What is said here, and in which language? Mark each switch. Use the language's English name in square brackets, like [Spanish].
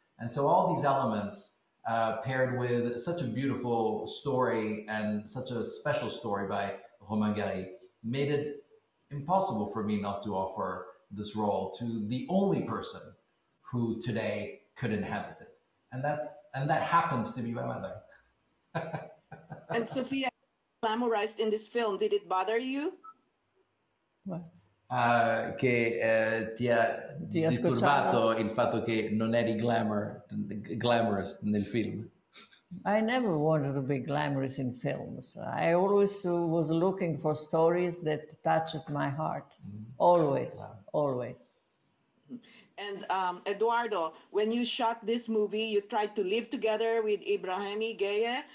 [English] And so all these elements paired with such a beautiful story and such a special story by Romain Gary made it impossible for me not to offer this role to the only person who today could inhabit it. And that happens to be my mother. And Sophia, glamorized in this film, did it bother you? What? [Italian] Che ti ha disturbato il fatto che non eri glamorous nel film? [English] I never wanted to be glamorous in films. I always was looking for stories that touched my heart. Mm-hmm. Always, wow. Always. And Eduardo, when you shot this movie, you tried to live together with Ibrahim Igeye.